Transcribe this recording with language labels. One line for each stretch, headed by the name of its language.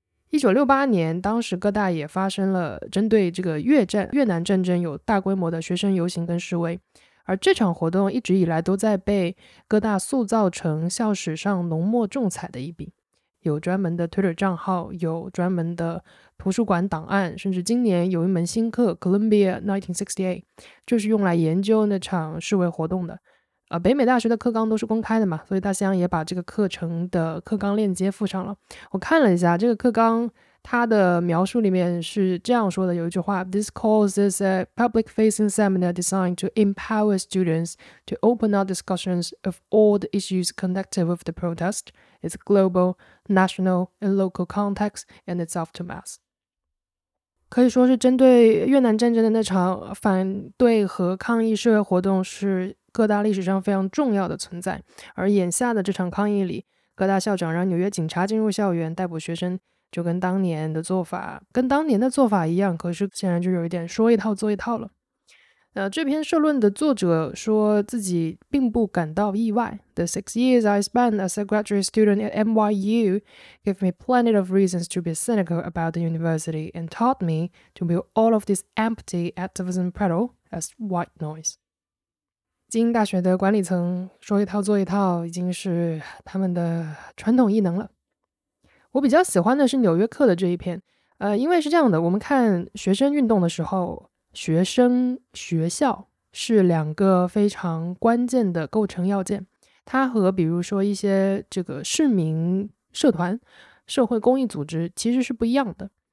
Chinese: 1968年当时各大也发生了针对这个越南战争有大规模的学生游行跟示威，而这场活动一直以来都在被各大塑造成校史上浓墨重彩的一笔，有专门的 Twitter 账号，有专门的图书馆档案，甚至今年有一门新课 Columbia 1968 就是用来研究那场示威活动的。北美大学的课纲都是公开的嘛，所以大西洋也把这个课程的课纲链接附上了。我看了一下这个课纲，它的描述里面是这样说的，有一句话，
English: This course is a public facing seminar designed to empower students to open up discussions of all the issues connected with the protest. It's global, national, and local context, and it's aftermath.
Chinese: 可以说是针对越南战争的那场反对和抗议示威活动是各大历史上非常重要的存在，而眼下的这场抗议里，各大校长让纽约警察进入校园逮捕学生，就跟当年的做法一样，可是显然就有一点说一套做一套了。这篇社论的作者说自己并不感到意外。
English: The 6 years I spent as a graduate student at NYU gave me plenty of reasons to be cynical about the university and taught me to view all of this empty activism prattle as white noise.
Chinese: 精英大学的管理层说一套做一套已经是他们的传统异能了。我比较喜欢的是纽约客的这一篇，因为是这样的，我们看学生运动的时候，学生、学校是两个非常关键的构成要件，它和比如说一些这个市民社团、社会公益组织其实是不一样的。